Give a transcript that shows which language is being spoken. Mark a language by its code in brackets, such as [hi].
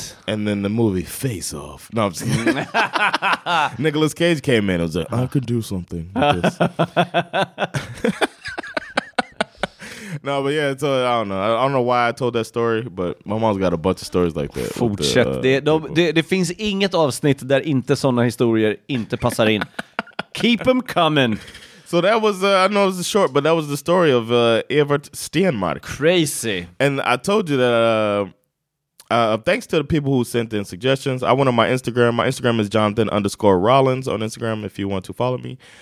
[en] And then the movie Face Off. No, I'm just kidding. Nicolas Cage came in and was like, I could do something with this. No, but yeah, so I don't know. I don't know why I told that story, but my mom's got a bunch of stories like that. [sv] Fortsätt. Det finns inget avsnitt där inte sådana historier inte passar in. [en] Keep them coming. So that was, I know it was short, but that was the story of Evert Stenmark. Crazy. And I told you that, thanks to the people who sent in suggestions, I went on my Instagram. My Instagram is Jonathan_Rollins on Instagram if you want to follow me.